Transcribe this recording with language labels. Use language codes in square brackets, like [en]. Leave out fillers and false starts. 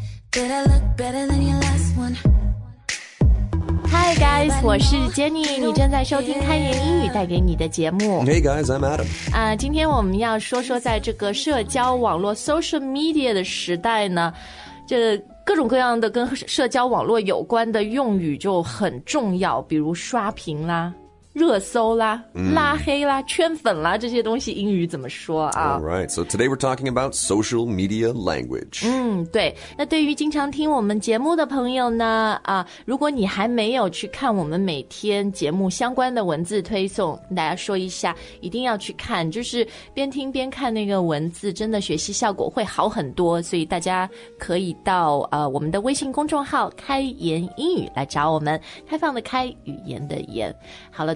[en] Did I look better than your last one? Hi guys, [zh] 我是 Jenny， 你正在收听开言英语带给你的节目。 [en] Hey guys, I'm Adam. [zh] 今天我们要说说在这个社交网络 social media 的时代呢，这各种各样的跟社交网络有关的用语就很重要，比如刷屏啦。热搜啦、拉黑啦、圈粉啦，这些东西英语怎么说啊 [en] ？All right, so today we're talking about social media language. [zh] 对。那对于经常听我们节目的朋友呢，如果你还没有去看我们每天节目相关的文字推送，跟大家说一下，一定要去看，就是边听边看那个文字，真的学习效果会好很多。所以大家可以到我们的微信公众号"开言英语"来找我们，开放的开，语言的言。好了。